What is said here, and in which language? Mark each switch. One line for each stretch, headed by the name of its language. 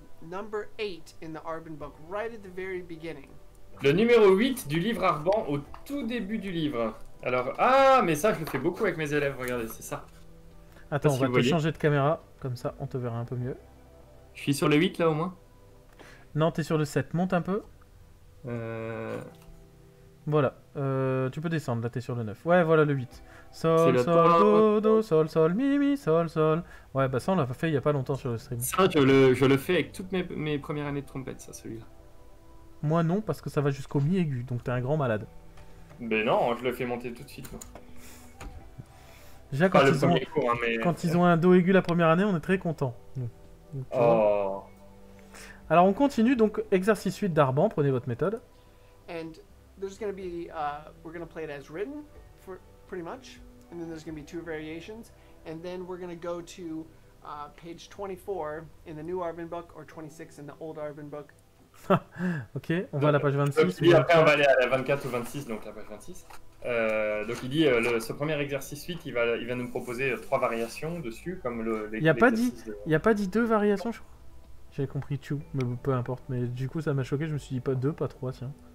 English: Number 8 in the Arban book, right at the very beginning.
French: Le numéro 8 du livre Arban au tout début du livre. Alors, ah, mais ça, je le fais beaucoup avec mes élèves, regardez, c'est ça. Attends, on va te changer de caméra, comme ça, on te verra un peu mieux. Je suis sur le 8, là, au moins. Non, t'es sur le 7, monte un peu. Voilà, tu peux descendre, là t'es sur le 9. Ouais, voilà le 8. Sol, le sol, do, do, sol, sol, mi, mi, sol, sol. Ouais, bah ça on l'a fait il y a pas longtemps sur le stream. Ça, je le fais avec toutes mes premières années de trompette, ça, celui-là. Moi non, parce que ça va jusqu'au mi aigu, donc t'es un grand malade. Mais non, je le fais monter tout de suite, moi. Déjà, ils ont un do aigu la première année, on est très contents. Donc, oh. Alors on continue donc exercice 8 d'Arban, prenez votre méthode.
English: And there's going to be we're going to play it as written for pretty much and then there's going to be two variations and then we're going to go to page 24 in the new Arban book or 26 in the old Arban book.
French: OK, on va à la page 26. Donc, après on va aller à la 24 ou 26 donc la page 26. Donc il dit ce premier exercice 8, il va nous proposer trois variations dessus comme il y a pas dit deux variations je crois. J'ai compris tu, mais peu importe. Mais du coup, ça m'a choqué. Je me suis dit pas deux, pas trois, tiens.